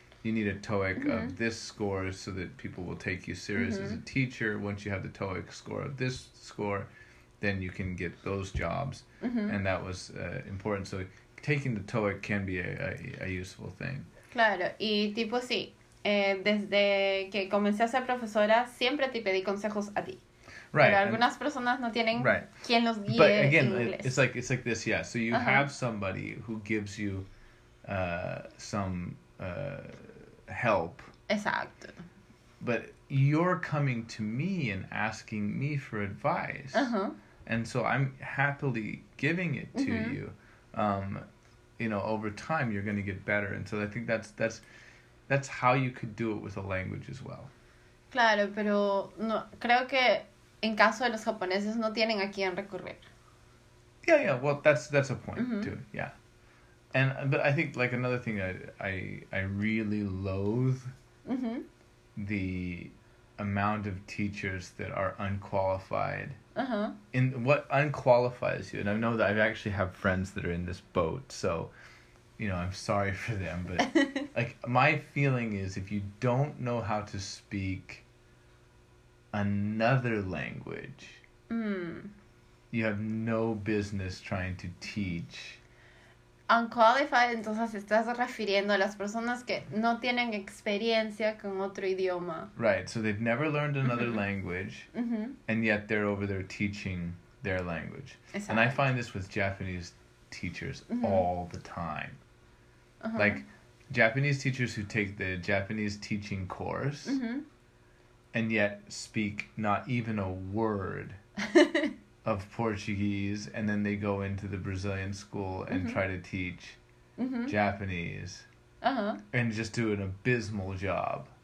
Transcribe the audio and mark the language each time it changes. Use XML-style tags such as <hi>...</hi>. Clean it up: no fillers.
<en>You need a TOEIC of this score so that people will take you serious as a teacher. Once you have the TOEIC score of this score, then you can get those jobs. And that was important. So taking the TOEIC can be a useful thing.</en> <es>Claro. Y tipo, sí. Desde que comencé a ser profesora, siempre te pedí consejos a ti.</es> <en>Right.</en> <es>Pero algunas personas no tienen quien los guíe en inglés.</es> <en>But again, it's like this, yeah. So you have somebody who gives you some... help.</en> <es>Exacto.</es> <en>But you're coming to me and asking me for advice. And so I'm happily giving it to you. You know, over time you're going to get better. And so I think that's how you could do it with a language as well.</en> <es>Claro, pero no creo que en caso de los japoneses no tienen a quien recurrir.</es> <en>Yeah, yeah. Well, that's a point too. Yeah. And but I think like another thing I really loathe the amount of teachers that are unqualified in what unqualifies you, and I know that I actually have friends that are in this boat, so you know I'm sorry for them, but like my feeling is if you don't know how to speak another language, you have no business trying to teach.</en> <es>Unqualified, entonces estás refiriendo a las personas que no tienen experiencia con otro idioma.</es> <en>Right, so they've never learned another language, and yet they're over there teaching their language. Exactly. And I find this with Japanese teachers all the time. Like, Japanese teachers who take the Japanese teaching course, and yet speak not even a word of Portuguese, and then they go into the Brazilian school and try to teach Japanese, and just do an abysmal job.</en>